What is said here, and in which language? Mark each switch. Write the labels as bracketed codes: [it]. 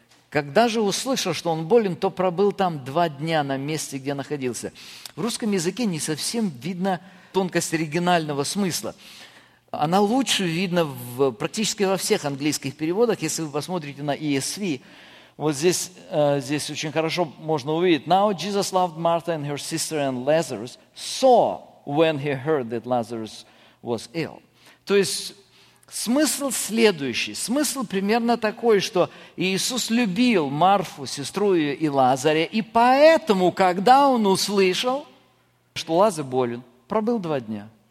[ru] Когда же услышал, что он болен, то пробыл там 2 дня на месте, где находился. В русском языке не совсем видно тонкость оригинального смысла. Она лучше видна практически во всех английских переводах. Если вы посмотрите на ESV, вот здесь очень хорошо можно увидеть. [en] Now Jesus loved Martha and her sister and Lazarus, saw when he heard that Lazarus was ill. [ru] То есть смысл следующий. Смысл примерно такой, что Иисус любил Марфу, сестру ее и Лазаря, и поэтому, когда он услышал, что Лазарь болен, пробыл 2 дня.